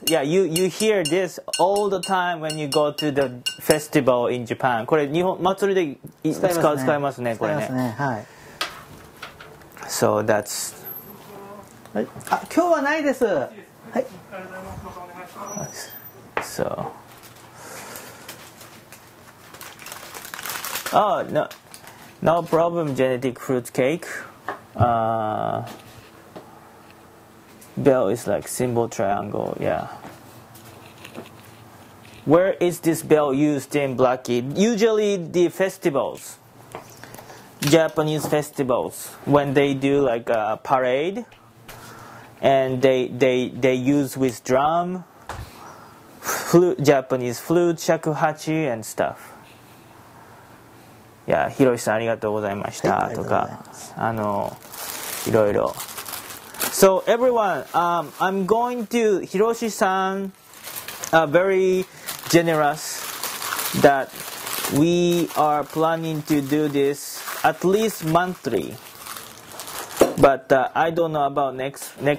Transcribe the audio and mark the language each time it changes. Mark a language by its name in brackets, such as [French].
[English] Yeah, you hear this all the time when you go to the festival in Japan. [Japanese] これ日本祭りで使いますね。これね。使いますね。はい。 [English] So that's. [Japanese] あ、今日はないです。はい。 [English] So. Oh no. No problem, genetic fruit cake. Bell is like symbol triangle, yeah. Where is this bell used in Blacky? Usually the festivals, Japanese festivals, when they do like a parade, and they use with drum, flute, Japanese flute, shakuhachi and stuff. [Japanese] いや、ヒロシさんありがとうございましたとか、あの、いろいろ。 [English] So everyone, I'm going to Hiroshi-san, very generous that we are planning to do this at least monthly. But I don't know about next.